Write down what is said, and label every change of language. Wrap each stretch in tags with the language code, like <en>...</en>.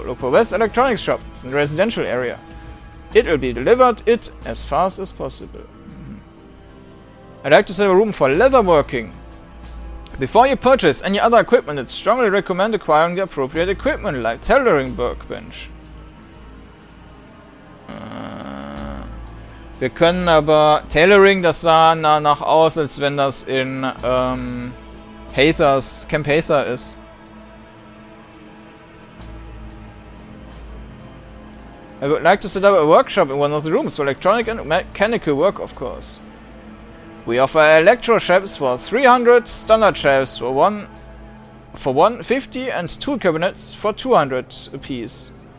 <en>Look for West Electronics Shop. It's in the residential area. It'll be delivered as fast as possible. I'd like to set up a room for leather working. Before you purchase any other equipment, it's strongly recommend acquiring the appropriate equipment, like tailoring workbench.</en> <de>Wir können aber Tailoring, das sah danach aus, als wenn das in Hathers, Camp Hather ist.</de> <en>I would like to set up a workshop in one of the rooms for electronic and mechanical work, of course. We offer electro shelves for 300, standard shelves for 150 and tool cabinets for 200 apiece.</en>